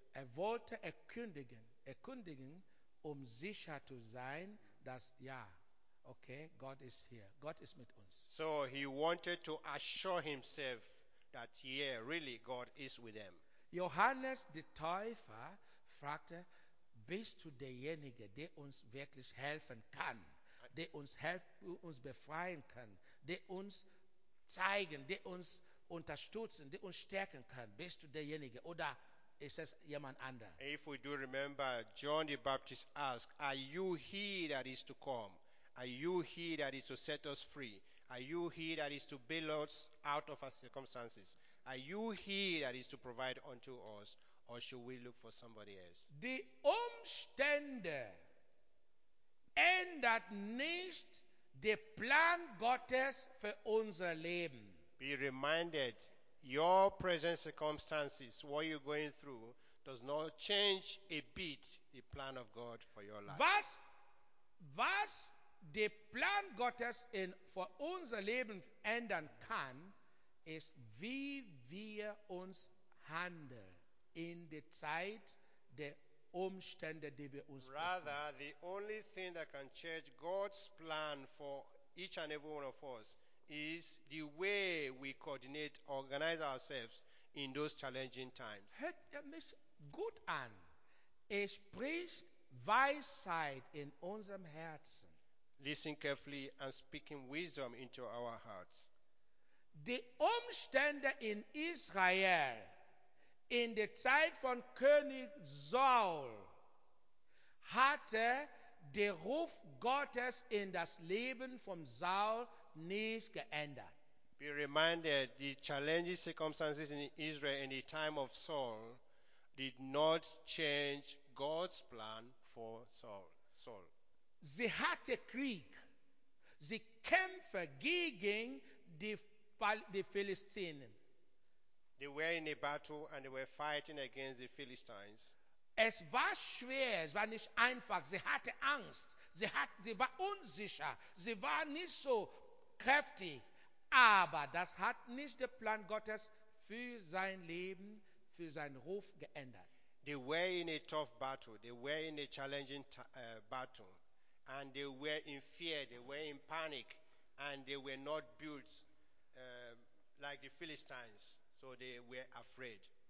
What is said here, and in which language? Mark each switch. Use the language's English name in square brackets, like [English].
[German] Er wollte erkündigen, um sicher zu sein, dass ja, okay, Gott ist hier, Gott ist mit uns. [English] So he wanted to assure himself that yeah, really, God is with them. [German] Johannes der Täufer fragte, bist du derjenige, der uns wirklich helfen kann, der uns uns befreien kann, der uns zeigen, der uns unterstützen, der uns stärken kann, bist du derjenige, oder [English] it says [German] jemand ander. [English] If we do remember, John the Baptist asked, are you he that is to come? Are you he that is to set us free? Are you he that is to bail us out of our circumstances? Are you he that is to provide unto us? Or should we look for somebody else? [German] Die Umstände ändert nicht den Plan Gottes für unser Leben. [English] Be reminded, your present circumstances, what you're going through, does not change a bit the plan of God for your life. [German] Was der Plan Gottes in für unser Leben ändern kann, ist wie wir uns handeln in der Zeit der Umstände, die wir uns [English] rather [German] bekommen. [English] The only thing that can change God's plan for each and every one of us is the way we coordinate, organize ourselves in those challenging times. [German] Hört mich gut an. Es spricht Weisheit in unserem Herzen. [English] Listen carefully and speaking wisdom into our hearts. [German] Die Umstände in Israel in der Zeit von König Saul hatte der Ruf Gottes in das Leben von Saul nicht geändert. [English] Be reminded, the challenging circumstances in Israel in the time of Saul did not change God's plan for Saul. [German] Sie hatte Krieg. Sie kämpfte gegen die Philistinen. [English] They were in a battle and they were fighting against the Philistines. [German] Es war schwer, es war nicht einfach. Sie hatte Angst. Sie war unsicher. Sie war nicht so kräftig, aber das hat nicht den Plan Gottes für sein Leben, für seinen Ruf geändert. [English] They were in a tough battle, they were in a challenging battle, and they were in fear, they were in panic, and they were not built like the Philistines, so they were afraid.